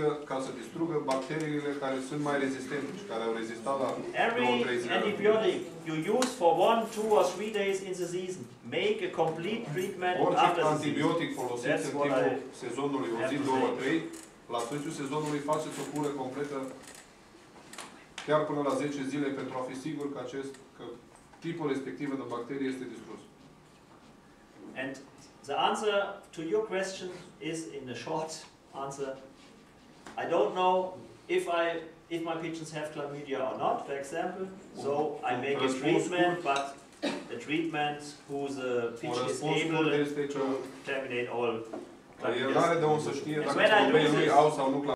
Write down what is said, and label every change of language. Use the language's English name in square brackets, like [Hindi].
[Romanian] Ca să distrugă bacteriile care sunt mai rezistente și care au rezistat la 2-3 zile. [English] Every antibiotic you use for 1, 2, or 3 days in the season, make a complete treatment [Romanian] orice [English] after the [Romanian] antibiotic folosit în timpul sezonului, o zi, 2-3, la sfârșitul sezonului faceți o cură completă chiar până la 10 zile pentru a fi sigur că tipul respectiv de bacterie este distrus. [English] And the answer to your question is in a short answer. I don't know if my pigeons have chlamydia or not, for example. So I make a treatment, but a treatment whose the pigeon is able to terminate all chlamydia. [Romanian] Dar el n-are de unde să știe dacă chlamydia au sau nu.